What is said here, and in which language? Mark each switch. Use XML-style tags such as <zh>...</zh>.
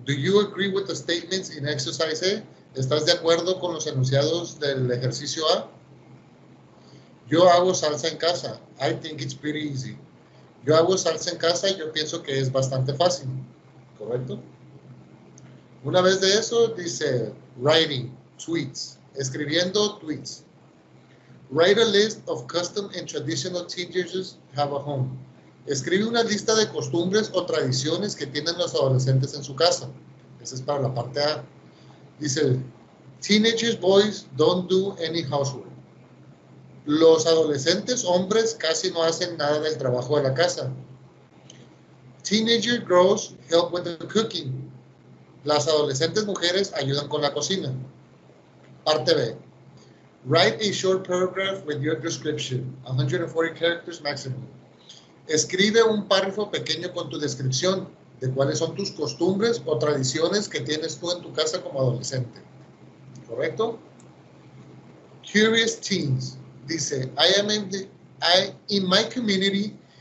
<en>Do you agree with the statements in exercise A?</en> <es>¿Estás de acuerdo con los enunciados del ejercicio A? Yo hago salsa en casa.</es> <en>I think it's pretty easy.</en> <es>Yo hago salsa en casa y yo pienso que es bastante fácil. ¿Correcto? Una vez de eso, dice writing, tweets. Escribiendo tweets.</es> <en>Write a list of custom and traditional teenagers have a home.</en> <es>Escribe una lista de costumbres o tradiciones que tienen los adolescentes en su casa. Esa es para la parte A. Dice,</es> <en>teenagers boys don't do any housework.</en> <es>Los adolescentes hombres casi no hacen nada del trabajo de la casa.</es> <en>Teenager girls help with the cooking.</en> <es>Las adolescentes mujeres ayudan con la cocina. Parte B.</es> <en>Write a short paragraph with your description, 140 characters maximum.</en> <es>Escribe un párrafo pequeño con tu descripción de cuáles son tus costumbres o tradiciones que tienes tú en tu casa como adolescente.</es> <en>¿Correcto? Curious teens. Dice, I am in my community,</en>